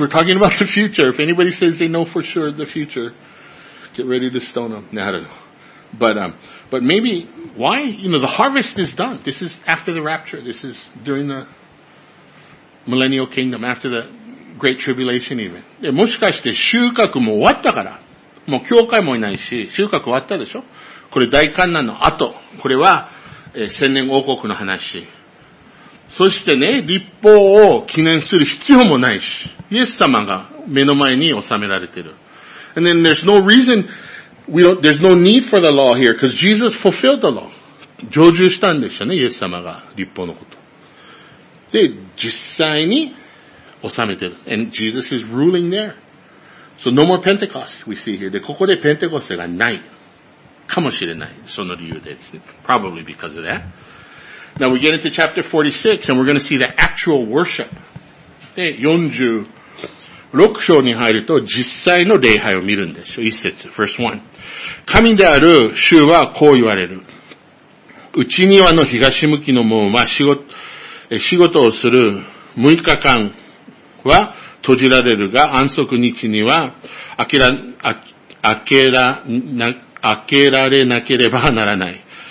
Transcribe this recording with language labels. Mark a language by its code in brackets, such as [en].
[en] We're talking about the future. If anybody says they know for sure the future, get ready to stone them. No, I don't know. But maybe, why? You know, the harvest is done. This is after the rapture. This is during the millennial kingdom, after the great tribulation even. [ja] で、もしかして収穫も終わったから。もう教会もいないし、収穫終わったでしょ？これ大患難の後。これは、千年王国の話。そしてね、立法を記念する必要もないし、イエス様が目の前に収められている。 [en] And then there's no reason, there's no need for the law here, because Jesus fulfilled the law. [ja] 成就したんでしょうね、イエス様が立法のこと。で、実際に収めている。 [en] And Jesus is ruling there. So no more Pentecost, we see here. [ja] で、ここでペンテコステがない。かもしれない。その理由で。 [en] Probably because of that. Now we get into chapter 46 and we're going to see the actual worship. [ja] で、46章に入ると実際の礼拝を見るんですよ。一節、 [en] first one。 [ja] 神である主はこう言われる。内庭の東向きの門は仕事をする6日間は閉じられるが、安息日には開けられなければならない。